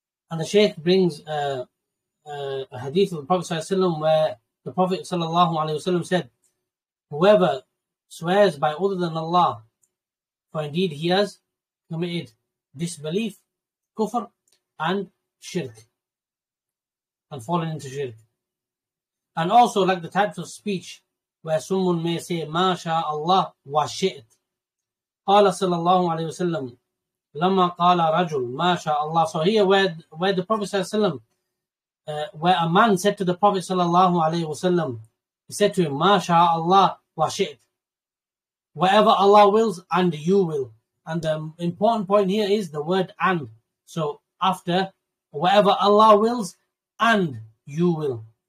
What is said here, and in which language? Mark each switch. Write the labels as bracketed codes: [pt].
[en] And the Shaykh brings a hadith of the Prophet Sallallahu Alaihi Wasallam, where the Prophet Sallallahu Alaihi Wasallam said, whoever swears by other than Allah, for indeed he has committed disbelief, kufr, and shirk, and fallen into shirk. And also, like the types of speech where someone may say, [ar] ما شاء الله وشئت. قال صلى الله عليه وسلم لما قال رجل ما شاء الله. [en] So here, where the Prophet صلى الله عليه وسلم, where a man said to the Prophet صلى الله عليه وسلم, he said to him, [ar] ما شاء الله وشئت. [en] Whatever Allah wills and you will. And the important point here is the word and. So after, whatever Allah wills and you will.